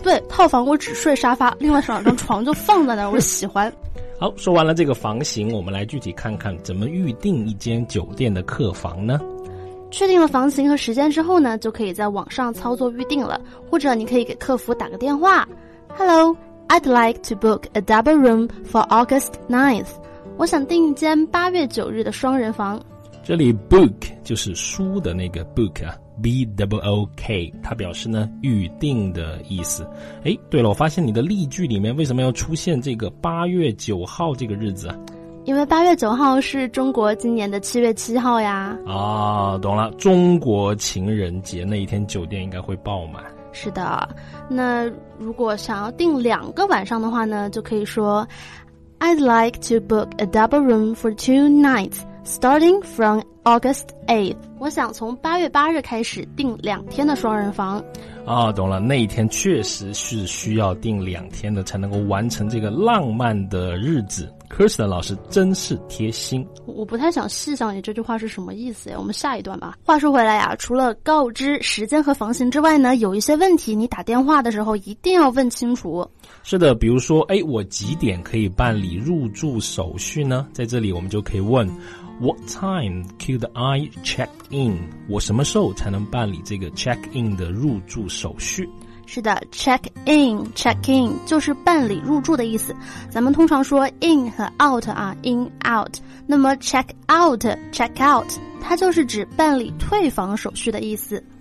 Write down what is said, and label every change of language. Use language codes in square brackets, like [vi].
[zh] 对，套房我只睡沙发，另外两张床就放在那儿，我喜欢。好，说完了这个房型，我们来具体看看怎么预定一间酒店的客房呢？确定了房型和时间之后呢，就可以在网上操作预定了，或者你可以给客服打个电话。 [en] Hello, I'd like to book a double room for August 9th. [zh] 我想订一间八月九日的双人房。这里 book 就是书的那个 book 啊。B-O-O-K 它表示呢预定的意思。诶，对了，我发现你的例句里面为什么要出现这个8月9号这个日子啊？因为8月9号是中国今年的7月7号呀。啊，懂了，中国情人节那一天酒店应该会爆满。是的，那如果想要订两个晚上的话呢，就可以说 [en] I'd like to book a double room for two nights starting from August 8th， [zh] 我想从8月8日开始订两天的双人房。哦，懂了，那一天确实是需要订两天的才能够完成这个浪漫的日子。 Kristen 老师真是贴心。我不太想细想你这句话是什么意思呀，我们下一段吧。话说回来呀，除了告知时间和房型之外呢，有一些问题你打电话的时候一定要问清楚。是的，比如说，哎，我几点可以办理入住手续呢？在这里我们就可以问 [en] What time could I check in? [zh] 我什么时候才能办理这个 check in 的入住手续？是的， check in, check in 就是办理入住的意思。咱们通常说 in 和 out 啊， in, out， 那么 check out, check out 它就是指办理退房手续的意思。